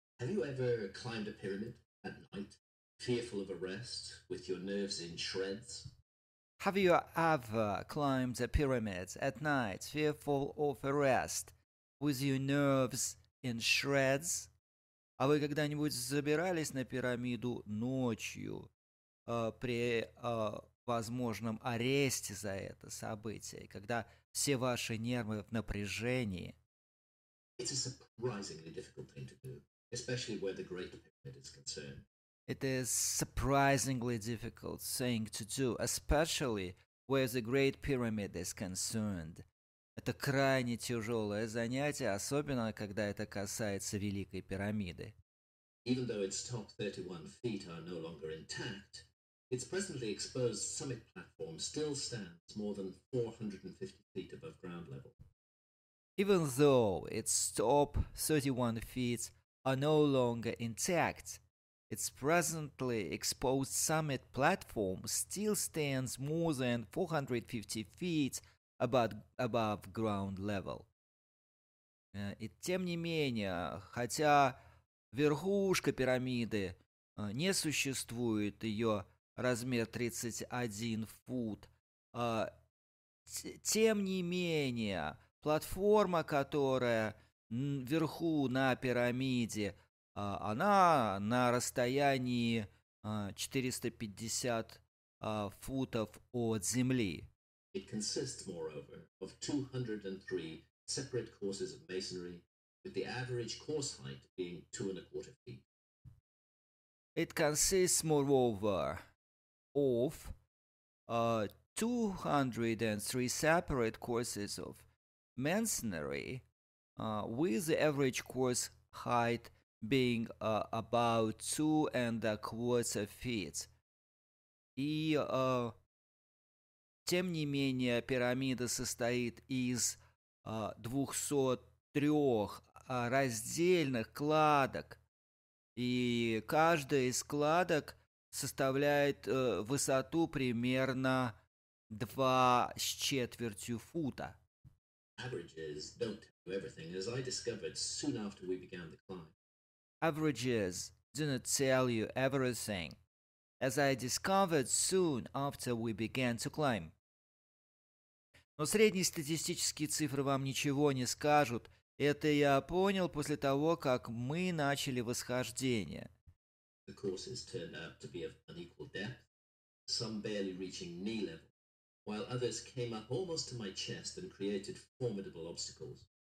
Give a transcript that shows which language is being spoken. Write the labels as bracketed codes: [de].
[en] Have you ever climbed a pyramid at night, fearful of arrest, with your nerves in shreds? Have you ever climbed a pyramid at night, fearful of arrest, with your nerves in shreds? [ru] А вы когда-нибудь забирались на пирамиду ночью, возможном аресте за это событие, когда все ваши нервы в напряжении. [en] It's a surprisingly difficult thing to do, especially where the Great Pyramid is concerned. It is surprisingly difficult thing to do, especially where the Great Pyramid is concerned. [ru] Это крайне тяжелое занятие, особенно когда это касается Великой Пирамиды. [en] Even though its top 31 feet are no longer intact, its presently exposed summit platform still stands more than 450 feet above ground level. Even though its top 31 feet are no longer intact, its presently exposed summit platform still stands more than 450 feet above ground level. [ru] И тем не менее, хотя верхушка пирамиды не существует, ее размер 31 фут. Тем не менее, платформа, которая вверху на пирамиде, она на расстоянии 450 футов от земли. [en] It consists, moreover, of 203 separate courses of masonry, with the average course height being 2.25 feet. It consists, moreover, of 203 separate courses of masonry, with the average course height being about 2.25 feet. [ru] И, тем не менее, пирамида состоит из 203 раздельных кладок, и каждая из кладок составляет высоту примерно 2.25 фута. [en] Averages don't tell you everything, as I discovered soon after we began the climb. Averages do not tell you everything, as I discovered soon after we began to climb. [ru] Но среднестатистические цифры вам ничего не скажут. Это я понял после того, как мы начали восхождение. [en] The courses turned out to be of unequal depth, some barely reaching knee level, while others came up almost to my chest and created formidable obstacles.